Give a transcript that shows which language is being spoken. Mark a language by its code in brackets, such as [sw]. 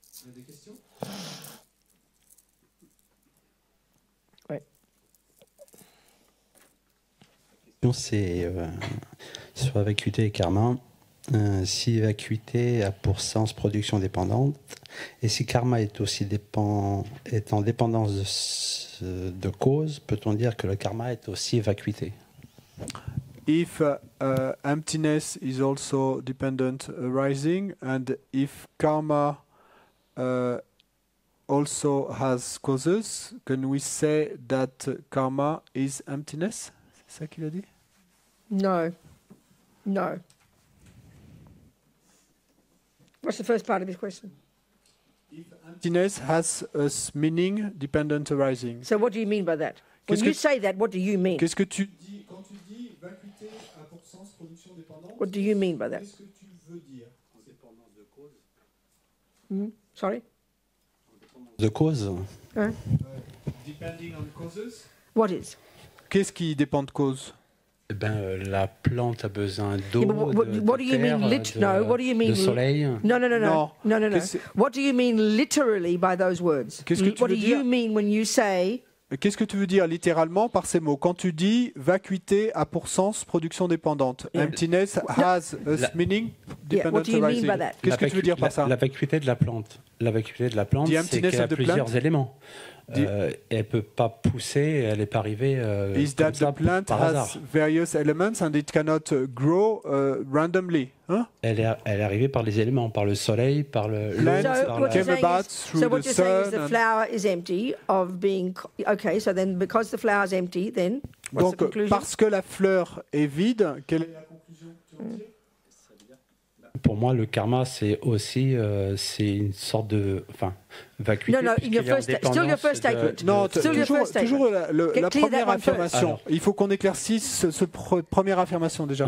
[fr] Il y a des questions? Sur la vacuité et karma, si la vacuité a pour sens production dépendante, et si karma est en dépendance de cause, peut-on dire que le karma est aussi vacuité? [en] If emptiness is also dependent arising, and if karma also has causes, can we say that karma is emptiness? [fr] C'est ça qu'il a dit? [en] No. What's the first part of his question? If emptiness has a meaning dependent arising. So what do you mean by that? What do you mean? [fr] Qu'est-ce que tu dis quand tu dis vacuité a pour sens production dépendante? [en] What do you mean by that? [fr] Qu'est-ce que tu veux dire? En dépendance de cause. [en] Sorry? [fr] En dépendance de cause. [en] Depending on causes. What is? [fr] Qu'est-ce qui dépend de cause? Eh ben, la plante a besoin d'eau, de terre, de soleil. [en] No. What do you mean literally by those words? [fr] Qu'est-ce que tu veux dire littéralement par ces mots? Quand tu dis vacuité a pour sens production dépendante, [en] emptiness has a meaning dependent arising. [fr] Qu'est-ce que tu veux dire par ça? La vacuité de la plante. La vacuité de la plante, c'est qu'elle a plusieurs éléments. Elle peut pas pousser, elle est pas arrivée comme ça par hasard. [en] Is that the plant has various elements and it cannot grow randomly? [fr] Elle est arrivée par les éléments, par le soleil, par le. [en] Plant came about through the sun. So what you're saying is the flower is empty of being. Okay, so then because the flower is empty, then what's the conclusion? [fr] Donc parce que la fleur est vide, quelle est la conclusion que tu en tires? Pour moi, le karma, c'est aussi c'est une sorte de... Enfin, vacuité. Non, non, [en] still your first statement. [fr] Non, toujours la première affirmation. Alors, il faut qu'on éclaircisse cette première affirmation déjà.